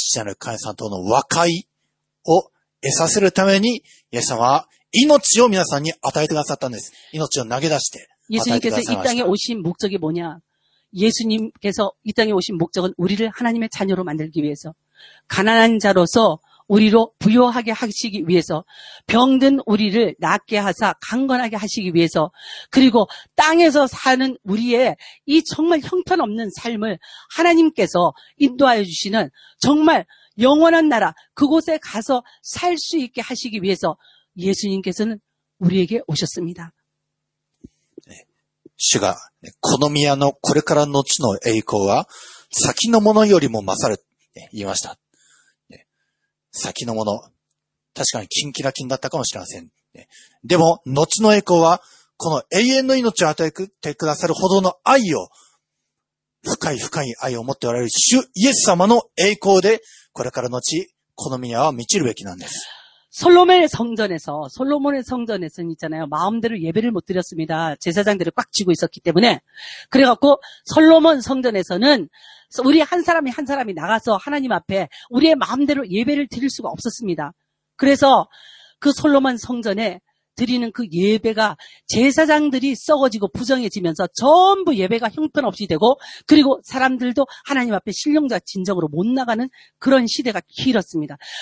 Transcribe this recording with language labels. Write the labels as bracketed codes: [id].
[ja] 皆さんに、いいマンションに住んで、お金をたくさんいっぱい得て、あれもこれも買える、そういう幸せを手に入れさせるために、イエス様は来られたんじゃない。イエス様は、皆さんに天のマンションを永遠の命、それを皆さんに与えるために、そして皆さんに罪の許し、また体の蘇り、永遠の命を得させるために、そして父なる神様との和解を 得させるために、イエス様は命を皆さんに与えてくださったんです。命を投げ出して。 [ko] 예수님께서 이 땅에 오신 목적이 뭐냐? 예수님께서 이 땅에 오신 목적은 우리를 하나님의 자녀로 만들기 위해서, 가난한 자로서 우리로 부요하게 하시기 위해서, 병든 우리를 낫게 하사 강건하게 하시기 위해서, 그리고 땅에서 사는 우리의 이 정말 형편없는 삶을 하나님께서 인도하여 주시는 정말 영원한 나라, 그곳에 가서 살 수 있게 하시기 위해서 예수님께서는 우리에게 오셨습니다. [ja] 주가, この宮のこれからの地の栄光は先のものよりも勝る。言いました。先のもの、確かにキンキラキンだったかもしれません。でも、後の栄光はこの永遠の命を与えてくださるほどの愛を、深い深い愛を持っておられる主イエス様の栄光で、 これからのち, この宮は満ちるべきなんです。 [ko] 솔로몬의 성전에서, 솔로몬의 성전에서는 있잖아요. 마음대로 예배를 못 드렸습니다. 제사장들을 꽉 쥐고 있었기 때문에. 그래갖고, 솔로몬 성전에서는 우리 한 사람이 한 사람이 나가서 하나님 앞에 우리의 마음대로 예배를 드릴 수가 없었습니다. 그래서 그 솔로몬 성전에 드리는 그 예배가 제사장들이 썩어지고 부정해지면서 전부 예배가 형편없이 되고 그리고 사람들도 하나님 앞에 신령자 진정으로 못 나가는 그런 시대가 길었습니다.